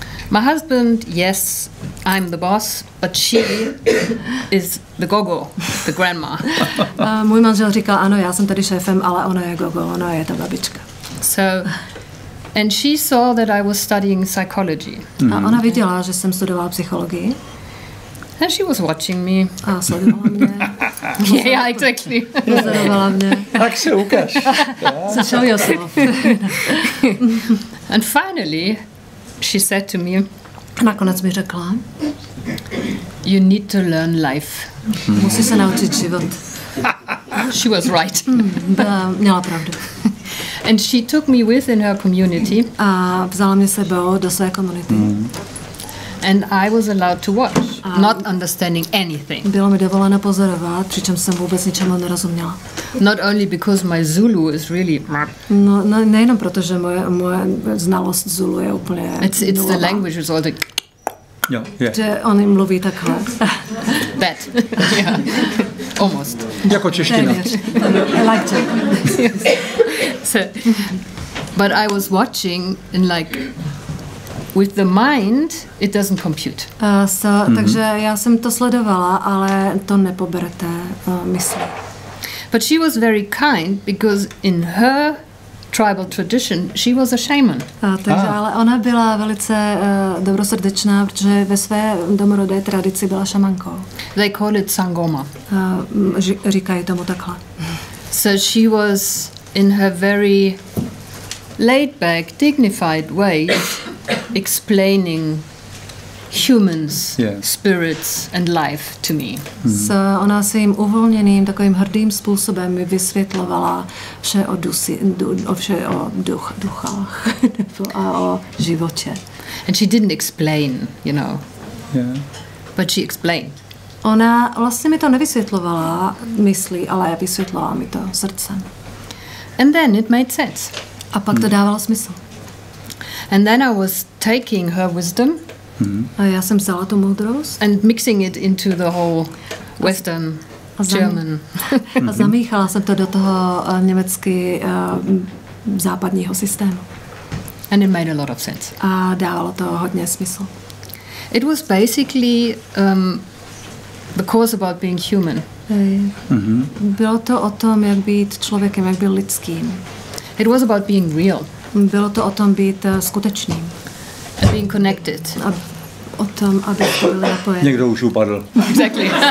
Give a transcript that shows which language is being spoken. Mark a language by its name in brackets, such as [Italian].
[English] My husband, yes, I'm the boss, but she is the gogo, the grandma. [Czech] Můj manžel říkal, ano, já jsem tady šéfem, ale ona je gogo, ona je ta babička. [English] So, and she saw that I was studying psychology. [Czech] A ona viděla, že jsem studoval psychologii. [English] And she was watching me. [Czech] A sledovala mě. [English] Yeah, exactly. [Czech] Sledovala mě. Tak se ukáž. Začal Josef. [English] And finally, she said to me, [Czech] nakonec mi řekla, [English] you need to learn life. [Czech] Musíš se naučit život. [English] She was right. [Czech] Měla pravdu. [English] And she took me with in her community. [Czech] A vzala mě sebou do své komunity. [English] And I was allowed to watch, not understanding anything. [Czech] Bylo mi dovoleno pozorovat, přičem jsem vůbec ničemu nerozuměla. [English] Not only because my Zulu is really. [Czech] No, no, nejenom proto, že moje znalost Zulu je úplně. [English] It's the language, it's all the. Yeah. [Czech] Že oni mluví takhle. [English] Bad. Yeah. Almost. [Czech] Jako čeština. [English] I like to. So, but I was watching in like. With the mind, it doesn't compute. [Czech] Takže já jsem to sledovala, ale to nepoberete mysli. [English] But she was very kind because in her tribal tradition, she was a shaman. [Czech] Ale ona byla velice dobrosrdečná, protože ve své domorodé tradici byla šamankou. [English] They call it sangoma. [Czech] Říkají tomu takhle. [English] So she was in her very laid back, dignified way. Explaining humans, yeah. Spirits and life to me. [Czech] So ona svým uvolněným takovým hrdým způsobem mi vysvětlovala vše o duši, vše o duchách a o životě. [English] And she didn't explain, you know. Yeah. But she explained. [Czech] Ona vlastně mi to nevysvětlovala mysli, ale vysvětlovala mi to srdcem. [English] And then it made sense. [Czech] A pak to dávalo smysl. [English] And then I was taking her wisdom. [Czech] A já jsem vzala tu moudrost. [English] And mixing it into the whole Western German. [Czech] A zamíchala jsem to do toho německy západního systému. [English] And it made a lot of sense. [Czech] A dávalo to hodně smysl. [English] It was basically the course about being human. [Czech] Bylo to o tom, jak být člověkem, jak být lidským. [English] It was about being real. [Czech] Bylo to o tom být skutečným. [English] A being connected. A [Czech] o tom, aby to bylo napojené. Někdo už upadl. [English] Exactly.